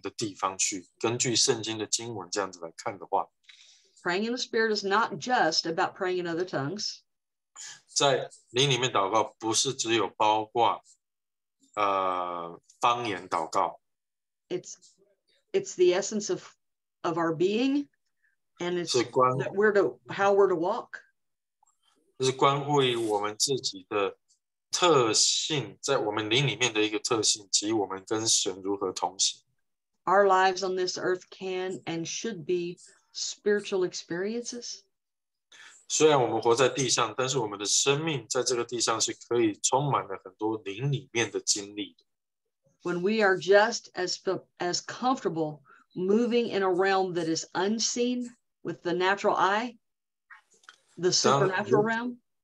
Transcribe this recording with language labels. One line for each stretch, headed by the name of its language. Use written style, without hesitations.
Chinese: 所以我们现在提到了，我们要注意到说，在灵里面祷告不只是我们所做的事情，比如像说说方言。事实上，在灵里面祷告会带领我们到不同的地方去，根据圣经的经文这样子来看的话。
English: Praying in the Spirit is not just about praying in other tongues.
Chinese: 在灵里面祷告不是只有包括方言祷告。
English: It's the essence of our being, and it's how we're to walk.
Chinese: 是关乎于我们自己的特性，在我们灵里面的一个特性，及我们跟神如何同行。
English: Our lives on this earth can and should be spiritual experiences.
Chinese: 虽然我们活在地上，但是我们的生命在这个地上是可以充满了很多灵里面的经历的。
English: When we are just as comfortable moving in a realm that is unseen with the natural eye, the supernatural realm.